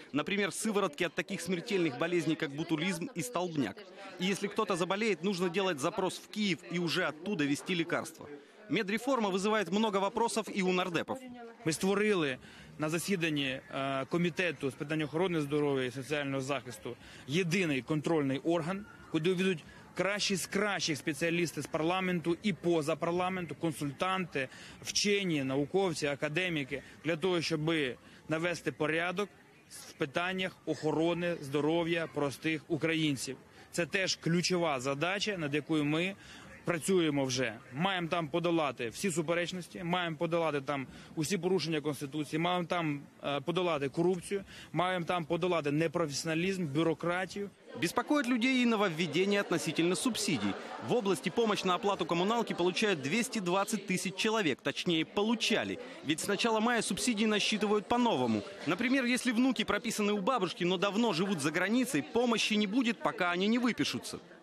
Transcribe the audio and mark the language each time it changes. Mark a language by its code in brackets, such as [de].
[ru] Например, сыворотки от таких смертельных болезней, как ботулизм и столбняк. И если кто-то заболеет, нужно делать запрос в Киев и уже оттуда вести лекарства. Медреформа вызывает много вопросов и у нардепов. Мы [uk] створили на засіданні комітету з питань охорони здоров'я і соціального захисту єдиний контрольний орган, куди увійдуть кращі з кращих спеціалістів з парламенту і поза парламенту, консультанти, вчені, науковці, академіки, для того, щоб навести порядок в питаннях охорони здоров'я простих українців. Це теж ключова задача, над якою ми працюємо вже. Маємо там подолати всі суперечності, маємо подолати там усі порушення Конституції, маємо там подолати корупцію, маємо там подолати непрофесіоналізм, бюрократію. [ru] Беспокоит людей и нововведение относительно субсидий. В области помощь на оплату коммуналки получают 220 тысяч человек, точнее, получали. Ведь с начала мая субсидии насчитывают по-новому. Например, если внуки прописаны у бабушки, но давно живут за границей, помощи не будет, пока они не выпишутся.